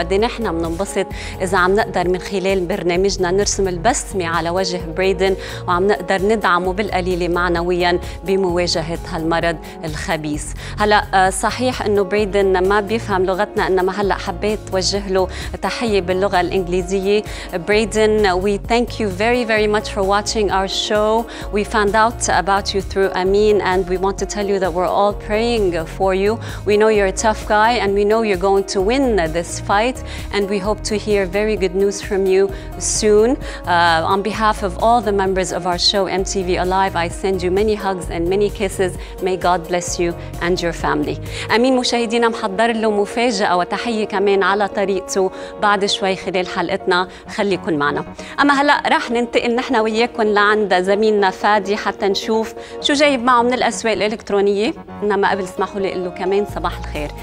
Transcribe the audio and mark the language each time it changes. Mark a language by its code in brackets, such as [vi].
[ar] وقد ايه نحن بننبسط اذا عم نقدر من خلال برنامجنا نرسم البسمه على وجه بريدن، وعم نقدر ندعمه بالقليله معنويا بمواجهه هالمرض الخبيث. هلا صحيح انه بريدن ما بيفهم لغتنا، انما هلا حبيت وجه له تحية باللغة الإنجليزية. [en] Brayden, we thank you very, very much for watching our show. We found out about you through Amin and we want to tell you that we're all praying for you. We know you're a tough guy and we know you're going to win this fight and we hope to hear very good news from you soon. On behalf of all the members of our show MTV Alive, I send you many hugs and many kisses. May God bless you and your family. [ar] Amin مشاهدينا محضر له مفاجأة وتحية كمان على طريقته بعد شوي خلال حلقتنا، خليكن معنا. أما هلأ راح ننتقل نحن وياكن لعند زميلنا فادي حتى نشوف شو جايب معه من الأسواق الإلكترونية. إنما قبل اسمحوا لي له كمان صباح الخير.